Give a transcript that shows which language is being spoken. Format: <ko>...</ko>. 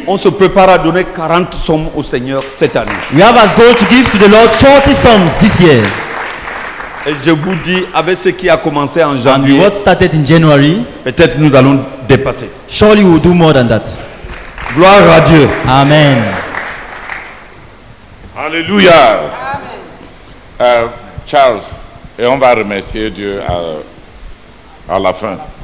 <fr>on se prépare à donner 40 sommes au Seigneur cette année.</fr> <en>We have as goal to give to the Lord 40 sums this year.</en> <fr>Et je vous dis, avec ce qui a commencé en janvier,</fr> <en>what started in January,</en> <fr>peut-être nous allons dépasser.</fr> <en>Surely we'll do more than that.</en> <fr>Gloire à Dieu. Amen. Alléluia. Amen. Charles, et on va remercier Dieu à la fin.</fr>